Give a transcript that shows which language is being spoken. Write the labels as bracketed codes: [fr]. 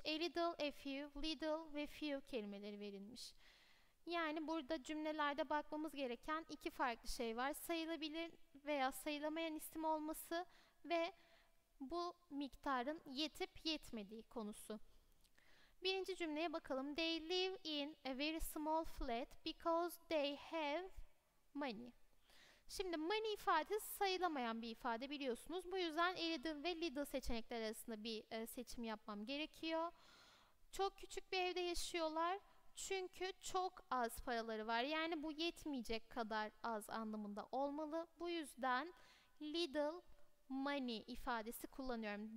[tr] A little, a few, little ve few kelimeleri verilmiş. Yani burada cümlelerde bakmamız gereken iki farklı şey var. Sayılabilir veya sayılamayan isim olması ve bu miktarın yetip yetmediği konusu. Birinci cümleye bakalım. [en] They live in a very small flat because they have money. [tr] Şimdi money ifadesi sayılamayan bir ifade biliyorsunuz. Bu yüzden a little ve little seçenekler arasında bir seçim yapmam gerekiyor. Çok küçük bir evde yaşıyorlar çünkü çok az paraları var. Yani bu yetmeyecek kadar az anlamında olmalı. Bu yüzden little money ifadesi kullanıyorum.